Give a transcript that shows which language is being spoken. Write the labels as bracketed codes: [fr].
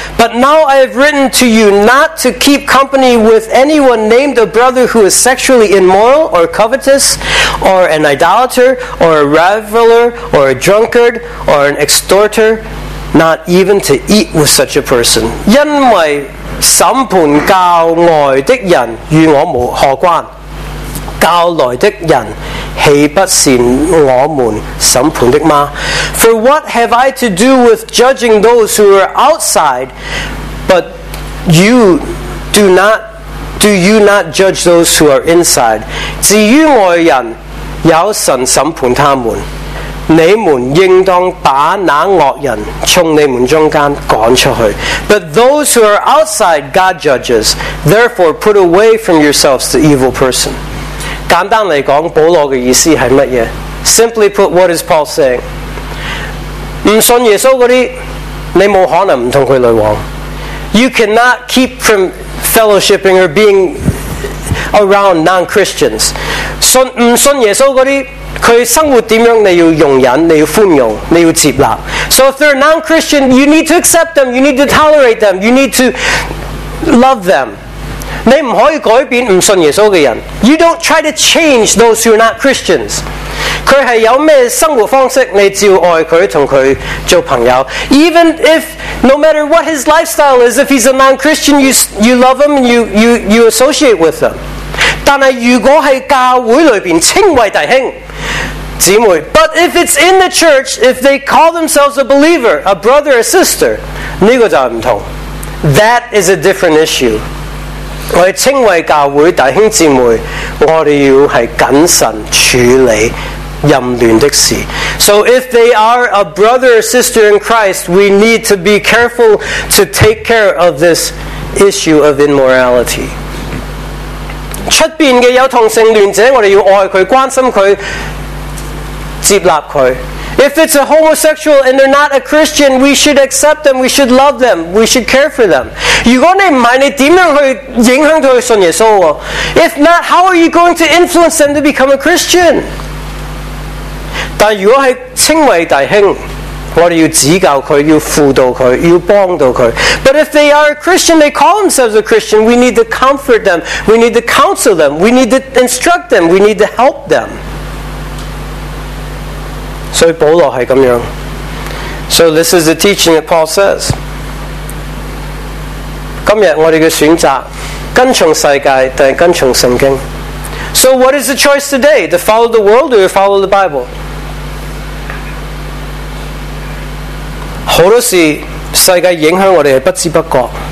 [en] But now I have written to you not to keep company with anyone named a brother who is sexually immoral or covetous or an idolater or a reviler or a drunkard or an extorter, not even to eat with such a person. [zh] 因为审判教外的人与我无何关，教来的人岂不是我们审判的吗？ [en] For what have I to do with judging those who are outside, but you do not, do you not judge those who are inside? [zh] 至于外人，有神审判他们，你们应当把那恶人从你们中间赶出去。 [en] But those who are outside, God judges. Therefore, put away from yourselves the evil person. [zh] 简单来讲，保罗的意思是什么？ [en] Simply put, what is Paul saying? [zh] 不信耶稣那些，你没可能不跟他来往。 [en] You cannot keep from fellowshipping or being around non-Christians. [zh] 信不信耶稣那些，他生活怎样，你要容忍，你要宽容，你要接纳。 [en] So if they're non-Christian, you need to accept them, you need to tolerate them, you need to love them. [zh] 你不可以改变不信耶稣的人。 [en] You don't try to change those who are not Christians. [zh] 他是有什么生活方式，你只要爱他，跟他做朋友。 [en] Even if, no matter what his lifestyle is, if he's a non-Christian, you love him and you associate with him. [zh] 但是如果在教会里面称为弟兄姊妹， [en] But if it's in the church, if they call themselves a believer, a brother, a sister, [zh] 这个就不同。 [en] That is a different issue. [zh] 我们称为教会弟兄姊妹，我们要是谨慎处理淫乱的事。 [en] So if they are a brother or sister in Christ, we need to be careful to take care of this issue of immorality. [zh] 出边的有同性恋者，我们要爱他，关心他，接纳他。 [en] If it's a homosexual and they're not a Christian, we should accept them, we should love them, we should care for them. [zh] 如果你不是，你怎样去影响他去信耶稣？ [en] If not, how are you going to influence them to become a Christian? [zh] 但如果是称为弟兄，我们要指教他，要辅导他，要帮助他。 [en] But if they are a Christian, they call themselves a Christian, we need to comfort them, we need to counsel them, we need to instruct them, we need to help them. [zh] 所以保罗是这样。 [en] So this is the teaching that Paul says. [zh] 今天我们的选择，跟从世界还是跟从圣经？ [en] So what is the choice today? To follow the world or to follow the Bible? [zh] 很多时世界影响我们不知不觉。